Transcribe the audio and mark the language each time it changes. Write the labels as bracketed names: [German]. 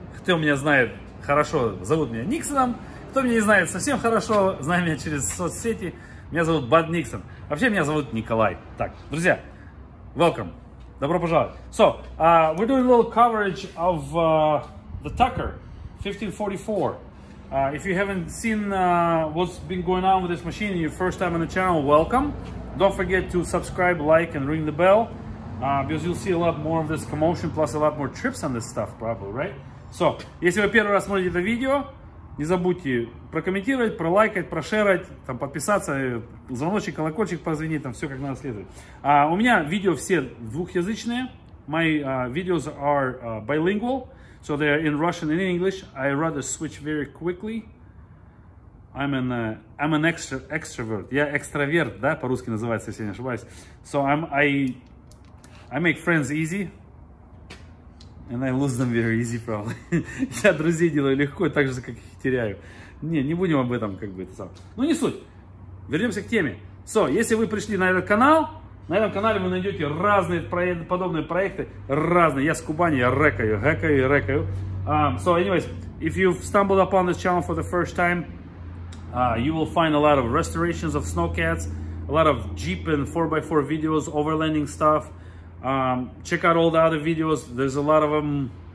[Russian] Кто меня знает хорошо, зовут меня Никсоном. Кто меня не знает совсем хорошо, знает меня через соцсети. Меня зовут Bud Nixon. Вообще, меня зовут Николай. Так, друзья, welcome. Добро пожаловать. [English] So, we're doing a little coverage of the Tucker. 1544. If you haven't seen what's been going on with this machine and your first time on the channel, welcome. Don't forget to subscribe, like, and ring the bell because you'll see a lot more of this commotion plus a lot more trips on this stuff probably, right? [Russian] So, если вы первый раз смотрите это видео, не забудьте прокомментировать, пролайкать, прошерить, там, подписаться, звоночек, колокольчик позвонить, там все как надо следует. У меня видео все двухязычные. [English] My videos are bilingual. So they are in Russian and in English. I rather switch very quickly. I'm an extrovert. [Russian] Я экстраверт, да, по-русски называется, если я не ошибаюсь. [English] So I make friends easy. And I lose them very easy, probably. [Russian] Я друзей делаю легко, так же, как их теряю. Не будем об этом, как бы, это сам. Ну, не суть. Вернемся к теме. So, если вы пришли на этот канал, на этом канале вы найдете разные подобные проекты, разные. Я с Кубани, я рекаю. [English] So, anyways, if you've stumbled upon this channel for the first time, you will find a lot of restorations of snowcats, a lot of Jeep and 4x4 videos, overlanding stuff. Check out all the other videos. There's a lot of them.